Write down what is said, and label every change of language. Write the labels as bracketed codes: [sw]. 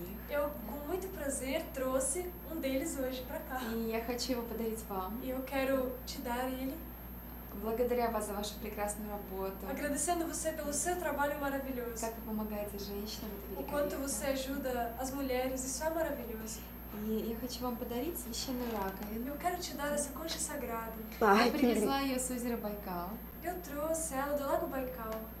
[pt] Eu, com muito prazer, trouxe um deles hoje para cá. E eu quero te dar ele. [ru] Благодаря вас за вашу прекрасную работу. [pt] Agradecendo você pelo seu trabalho maravilhoso. [ru] Как вы помогаете женщинам, это великолепно. [pt] O quanto você ajuda as mulheres, isso é maravilhoso. E eu [ru] хочу вам подарить священную раковину. [pt] Eu quero te dar essa concha sagrada. Ai, eu [ru] принесла ее с озера Байкал. [pt] Eu trouxe ela do lago Байкал.